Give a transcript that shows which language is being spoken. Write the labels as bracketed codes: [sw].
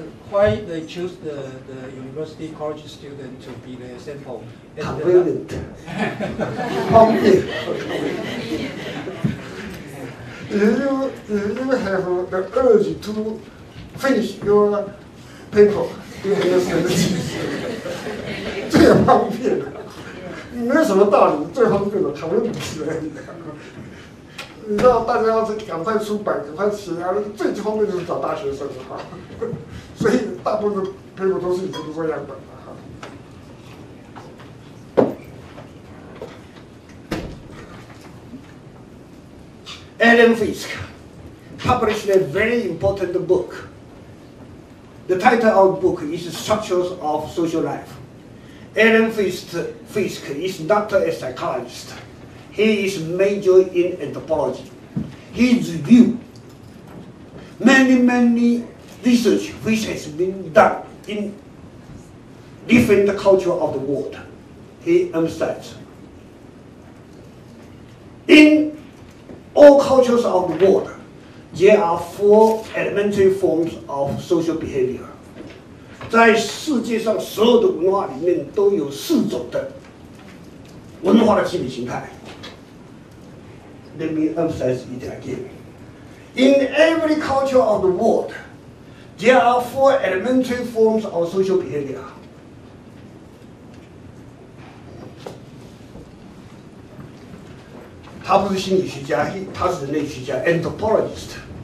[en] Why they choose the university college student to be the sample? Convenient. Convenient. you have the urge to finish your paper, you understand? [zh] 最方便的，没什么道理。最方便的，考虑不起来。你知道，大家要是赶快出版，赶快写，最方便就是找大学生啊。所以大部分的 paper 都是以这个样本的。 [en] Adam Fisk published a very important book. The title of the book is Structures of Social Life. Adam Fisk is not a psychologist. He is major in anthropology. He reviewed many research which has been done in different culture of the world. He emphasized. In all cultures of the world, there are four elementary forms of social behavior. [zh] 在世界上所有的文化里面都有四种的文化的心理形态. [en] Let me emphasize it again. In every culture of the world, there are four elementary forms of social behavior. Anthropologist.